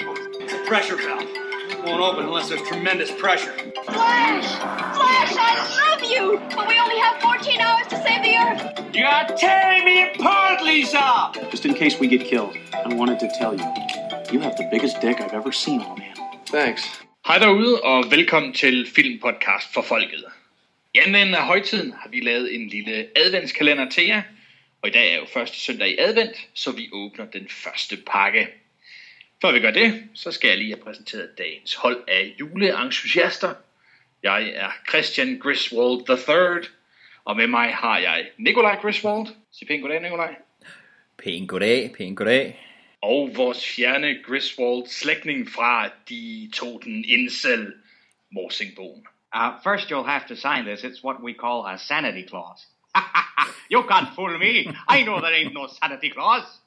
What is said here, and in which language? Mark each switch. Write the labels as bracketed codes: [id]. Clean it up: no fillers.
[en] The pressure valve won't open unless there's tremendous pressure. Flash, I love you, but we only have 14 hours to save the Earth. You are tearing me apart, Lisa. Just in case we get killed, I wanted to tell you, you have the biggest dick I've ever seen on a man. Thanks. [da] Hej derude, og velkommen til Filmpodcast for Folket. I anledning af højtiden har vi lavet en lille adventskalender til jer, og i dag er jo første søndag i advent, så vi åbner den første pakke. Før vi gør det, så skal jeg lige have præsenteret dagens hold af juleentusiaster. Jeg er Christian Griswold III, og med mig har jeg Nikolaj Griswold. Sig pænt goddag, Nikolaj. Pænt goddag, pænt goddag. Og vores fjerne Griswold-slægtning fra de toten incel, Morsingbogen. [en] First you'll have to sign this, it's what we call a sanity clause. You can't fool me, I know there ain't no sanity clause.